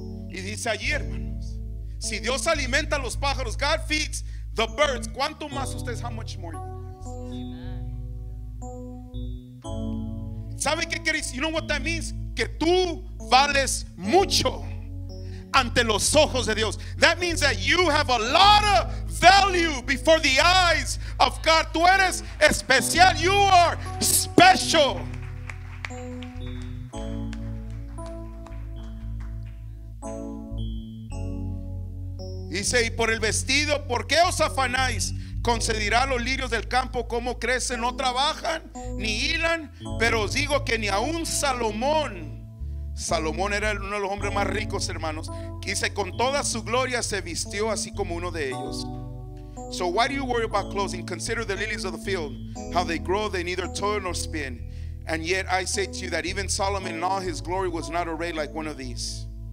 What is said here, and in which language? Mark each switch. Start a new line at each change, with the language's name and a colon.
Spanish: Y dice allí, hermanos, si Dios alimenta a los pájaros,
English: God feeds the birds,
Spanish: ¿cuánto más ustedes?
English: How much more?
Spanish: ¿Sabe qué querés?
English: You know what that means?
Spanish: Que tú vales mucho ante los ojos de Dios.
English: That means that you have a lot of value before the eyes of God.
Spanish: Tú eres especial.
English: You are special.
Spanish: Dice, y por el vestido, ¿por qué os afanáis? ¿Concedirá los lirios del campo cómo crecen? ¿No trabajan ni hilan? Pero os digo que ni aun Salomón Salomón era uno de los hombres más ricos, hermanos. Dice, con toda su gloria se vistió así como uno de ellos.
English: So why do you worry about clothing? Consider the lilies of the field, how they grow, they neither toil nor spin. And yet I say to you that even Solomon in all his glory was not arrayed like one of these.